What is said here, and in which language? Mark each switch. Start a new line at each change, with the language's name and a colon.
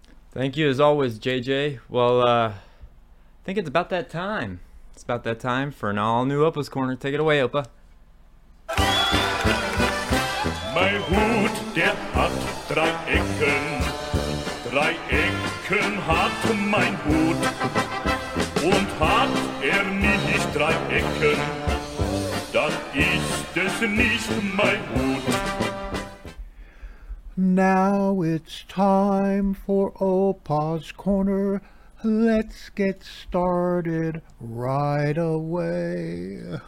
English: Thank you as always, JJ. Well, I think it's about that time. It's about that time for an all-new Opa's Corner. Take it away, Opa.
German: My hood, der hat drei Ecken. Drei Ecken hat mein Hut. Und hat nicht drei Ecken, dann ist es nicht mein Hut.
English: Now it's time for Opa's Corner. Let's get started right away.